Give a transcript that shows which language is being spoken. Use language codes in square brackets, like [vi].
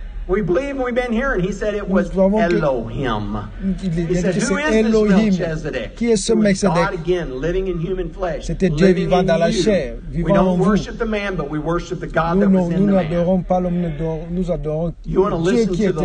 [en] We believe and we've been hearing. He said it was Elohim. He said, who is this Melchizedek? [fr] Qui est ce Melchizedek? [en] God again, living in human flesh. [fr] C'était Dieu vivant dans la chair, vivant en vous. [en] We don't worship the man, but we worship the God that was in the man. [fr] Nous n'adorons pas l'homme, nous adorons Dieu qui était dans l'homme.